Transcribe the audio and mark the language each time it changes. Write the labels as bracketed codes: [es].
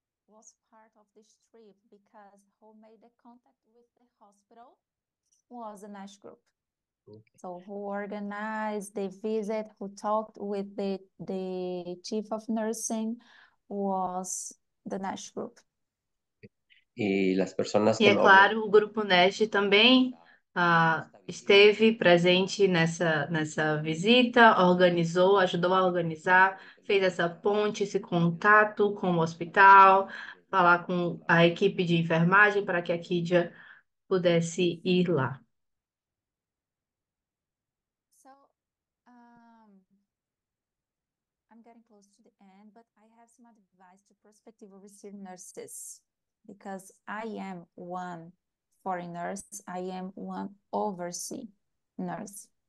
[en] Was part of this trip because who made the contact with the hospital was the Nash Group. So who organized the visit, who talked with the chief of nursing was the Nash Group. [pt] E as pessoas que é claro, o grupo Nash também esteve presente nessa visita, organizou, ajudou a organizar, fez essa ponte, esse contato com o hospital, falar com a equipe de enfermagem para que a Kidia pudesse ir lá. [en] So, I'm getting close to the end, but I have some advice to prospective overseas nurses, because I am one foreign nurse, I am one overseas nurse.